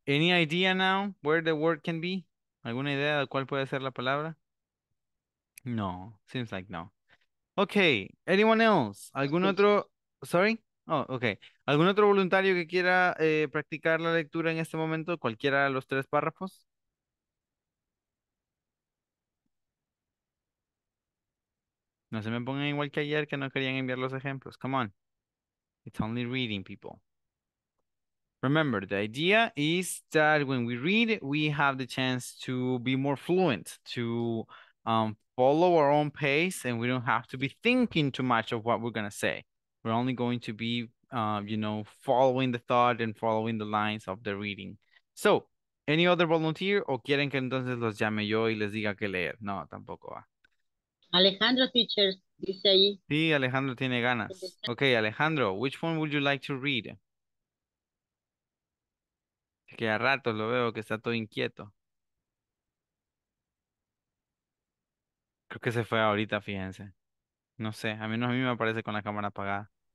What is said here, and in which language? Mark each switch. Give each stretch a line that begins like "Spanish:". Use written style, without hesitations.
English: Any idea now where the word can be?
Spanish: ¿Alguna idea de cuál puede ser la palabra?
English: No. Seems like no. Okay. Anyone else?
Spanish: ¿Algún otro?
English: Sorry? Oh, okay.
Spanish: ¿Algún otro voluntario que quiera practicar la lectura en este momento? ¿Cualquiera de los tres párrafos? No se me pongan igual que ayer que no querían enviar los ejemplos.
English: Come on. It's only reading, people. Remember, the idea is that when we read, we have the chance to be more fluent, to follow our own pace, and we don't have to be thinking too much of what we're going to say. We're only going to be, following the thought and following the lines of the reading. So, any other volunteer?
Spanish: ¿O quieren que entonces los llame yo y les diga qué leer? No, tampoco va. Alejandro, teacher, dice ahí. Sí, Alejandro tiene ganas.
English: Okay, Alejandro, which one would you like to read?
Spanish: Que a ratos lo veo que está todo inquieto. Creo que se fue ahorita, fíjense. No sé, a mí me aparece con la cámara apagada.